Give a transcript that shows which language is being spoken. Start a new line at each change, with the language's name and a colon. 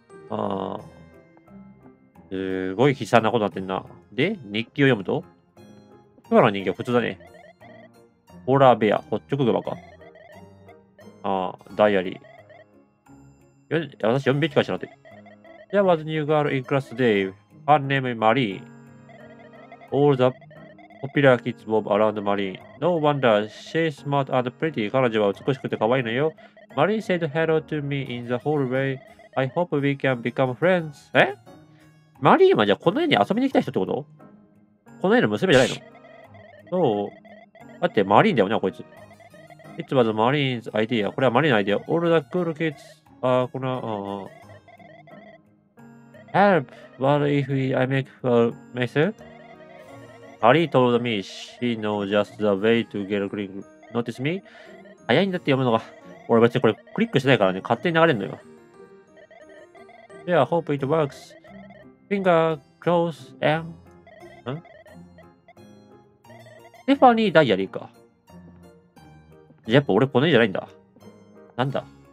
Japanese: ああ。すごい悲惨なことになってんな。で、日記を読むと。今の人間普通だね。ホラーベア、ホッチョクグマか。ああ、ダイアリー。私、読むべきかしらって。
English: There was a new girl in class today. Her name is Marie. All the popular kids move around Marie. No wonder she's smart and pretty.
Japanese: 彼女は美しくて可愛いのよ。
English: Marie said hello to me in the hallway. I hope we can become friends.
Japanese: え？ Marie はじゃあこの家に遊びに来た人ってこと？この家の娘じゃないの？そう。だって Marie だよね、こいつ。
English: It was Marie's idea.
Japanese: これは Marie のアイデア。
English: All the cool kids. ああ、この、ああ。Help! What if I make a mess? Ari told me she knows just the way to get a green. Notice me?
Japanese: 早いんだって読むのが。俺別にこれクリックしてないからね、勝手に流れるのよ。
English: Yeah, hope it works. Finger close and... ん?
Japanese: ステファニーダイアリーか。やっぱ俺この家じゃないんだ。なんだ?